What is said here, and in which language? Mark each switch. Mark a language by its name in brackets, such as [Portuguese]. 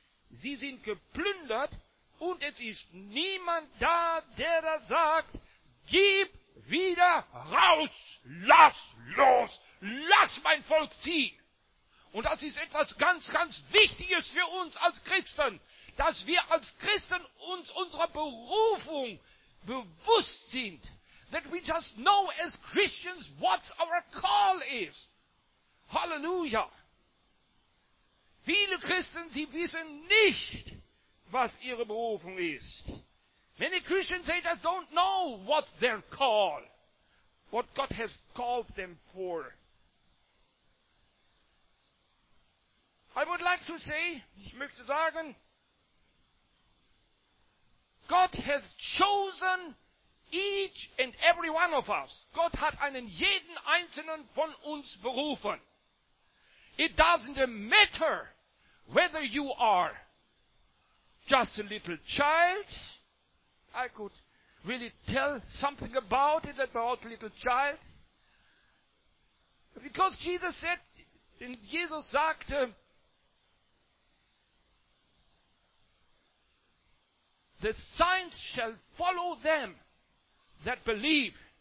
[German] Sie sind geplündert. Und es ist niemand da, der da sagt, gib wieder raus, lass los, lass mein Volk ziehen. Und das ist etwas ganz, ganz Wichtiges für uns als Christen, dass wir als Christen uns unserer Berufung bewusst sind. [English] That we just know as Christians what our call is. [German] Halleluja. Viele Christen, sie wissen nicht, was ihre Berufung ist. [English] Many Christians say they don't know what their call, what God has called them for. I would like to say, [German] ich möchte sagen, [English] God has chosen each and every one of us. [German] Gott hat einen jeden einzelnen von uns berufen. [English] It doesn't matter whether you are just a little child. I could really tell something about it, about little child. Because Jesus said, and [German] Jesus sagte, [English] the signs shall follow them that believe.